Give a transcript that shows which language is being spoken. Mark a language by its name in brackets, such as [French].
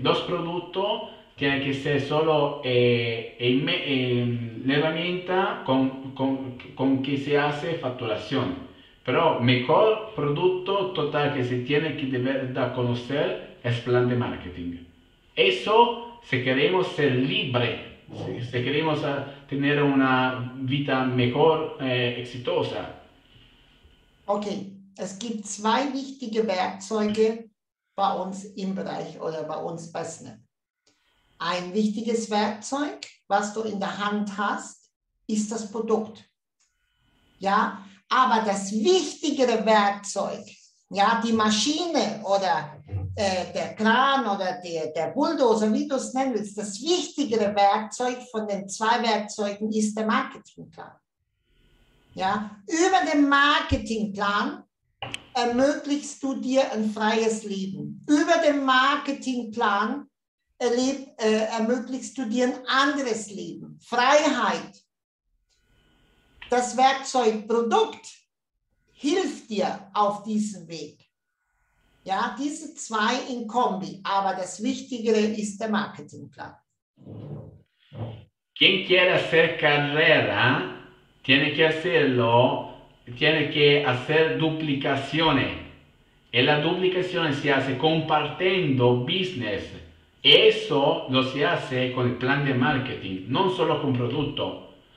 [Spanish] Los productos tienen que ser solo la herramienta con que se hace facturación. Pero mejor producto total que se tiene que de verdad conocer es plan de marketing. Eso, si queremos ser libre, si queremos tener una vida mejor, exitosa. [German] Okay, es gibt zwei wichtige Werkzeuge bei uns im Bereich oder bei uns bei SNAP. Ein wichtiges Werkzeug, was du in der Hand hast, ist das Produkt. Ja, Aber das wichtigere Werkzeug, ja, die Maschine oder der Kran oder der Bulldozer, wie du es nennen willst, das wichtigere Werkzeug von den zwei Werkzeugen ist der Marketingplan. Ja, über den Marketingplan ermöglichst du dir ein freies Leben. Über den Marketingplan ermöglichst du dir ein anderes Leben. Freiheit. Das Werkzeug Produkt hilft dir auf diesem Weg. Ja, diese zwei in Kombi. Aber das Wichtigere ist der Marketingplan. [Spanish] Quien quiera hacer carrera, tiene que hacerlo, tiene que hacer duplicaciones. Y la duplicación se hace compartiendo business. Eso lo se hace con el plan de marketing, no solo con producto.